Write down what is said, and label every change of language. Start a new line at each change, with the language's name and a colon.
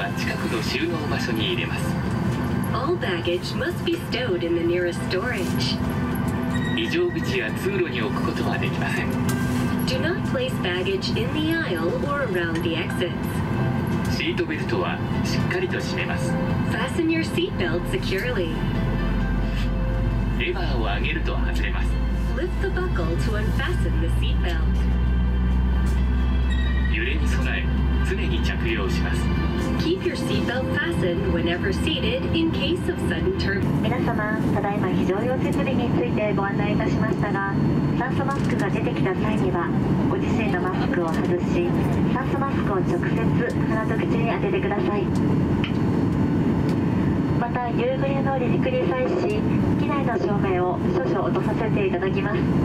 English: All baggage must be stowed in the nearest storage.
Japanese: 非常口や通路に置くことはできません。
English: Do not place baggage in the aisle or around the exits.
Japanese: シートベルトはしっかりと締めます。
English: Fasten your seat belt securely.
Japanese: レバーを上げると外れます。
English: Lift the buckle to unfasten the seat belt.
Japanese: 揺れに備え、常に着用します。
English: Keep your seatbelt fastened whenever seated in case of sudden turbulence.
Japanese: 皆様、ただいま非常用設備についてご案内いたしましたが、酸素マスクが出てきた際には、ご自身のマスクを外し、酸素マスクを直接鼻と口に当ててください。また、夕暮れの離陸に際し、機内の照明を少々落とさせていただきます。